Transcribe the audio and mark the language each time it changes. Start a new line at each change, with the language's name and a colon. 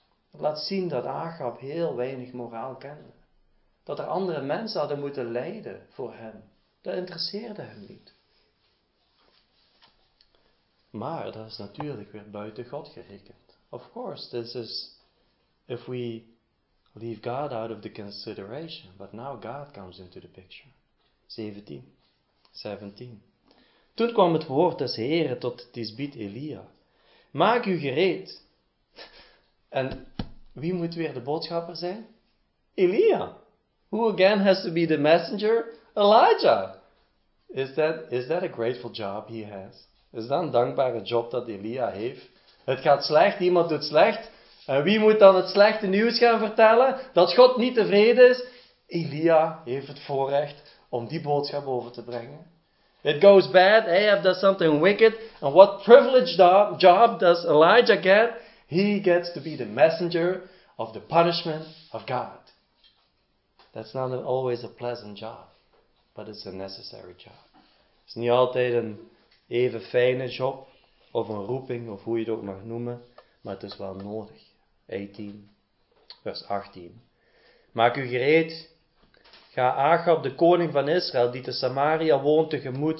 Dutch: Dat laat zien dat Achab heel weinig moraal kende. Dat er andere mensen hadden moeten lijden voor hem. Dat interesseerde hem niet. Maar dat is natuurlijk weer buiten God gerekend.
English: Of course, this is... If we leave God out of the consideration, but now God comes into the picture. 17.
Dutch: Toen kwam het woord des Heren tot Tisbiet Elia. Maak u gereed. En wie moet weer de boodschapper zijn?
English: Elia. Who again has to be the messenger? Elijah. Is that a grateful job he has?
Dutch: Is dat een dankbare job dat Elia heeft? Het gaat slecht, iemand doet slecht. En wie moet dan het slechte nieuws gaan vertellen? Dat God niet tevreden is? Elia heeft het voorrecht om die boodschap over te brengen.
English: It goes bad. Hey, I've done something wicked. And what privileged job does Elijah get? He gets to be the messenger of the punishment of God. That's not always a pleasant job. But it's a necessary job.
Dutch: Het is niet altijd een even fijne job. Of een roeping, of hoe je het ook mag noemen. Maar het is wel nodig. 18, vers 18. Maak u gereed. Ga Achab, de koning van Israël, die te Samaria woont, tegemoet.